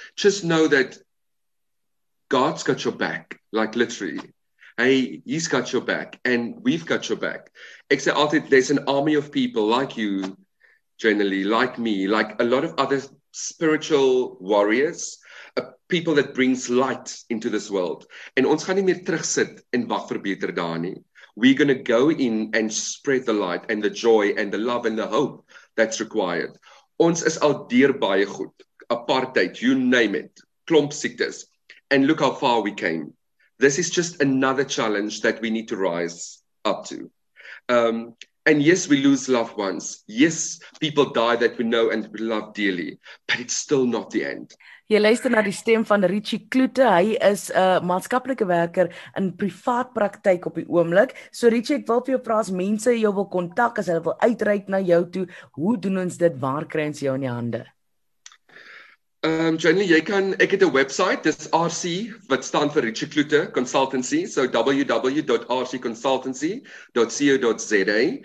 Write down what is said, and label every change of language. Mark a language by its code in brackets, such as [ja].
[en] Just know that God's got your back, like literally. Hey, he's got your back and we've got your back. [af] Ek sê altyd, [en] there's an army of people like you, generally, like me, like a lot of other spiritual warriors, people that brings light into this world. [af] En ons gaan nie meer terugsit en wag vir beter dae nie. [en] We're going to go in and spread the light and the joy and the love and the hope that's required. [af] Ons is al deur baie goed. Apartheid, [en] you name it, [af] klomp siektes. [en] And look how far we came. This is just another challenge that we need to rise up to. And yes, we lose loved ones. Yes, people die that we know and we love dearly. But it's still not the end. [af] Jy luister na die stem van Richie Cloete. Hy is 'n maatskaplike werker in privaat praktyk op die oomblik. So Richie, ek wil vir jou vra as mense jou wil kontak, as hulle wil uitreik na jou toe, hoe doen ons dit? Waar kry ons jou in die hande? Generally, jy kan, ek het 'n website, dis RC, wat staan vir Richie Cloete Consultancy, so www.rcconsultancy.co.za.